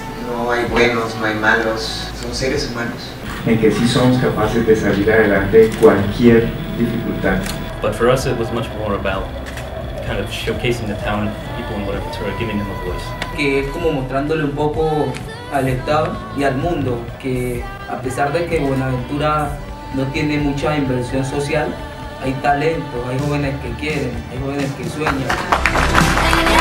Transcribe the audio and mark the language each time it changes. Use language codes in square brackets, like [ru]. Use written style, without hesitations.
[es] No hay buenos, no hay malos, son seres humanos. En que sí somos capaces de salir adelante cualquier dificultad. [en] But for us it was much more about kind of showcasing the talent, people and whatever, sort of giving them a voice. [es] Que es como mostrándole un poco al Estado y al mundo que a pesar de que Buenaventura no tiene mucha inversión social, hay talento, hay jóvenes que quieren, hay jóvenes que sueñan.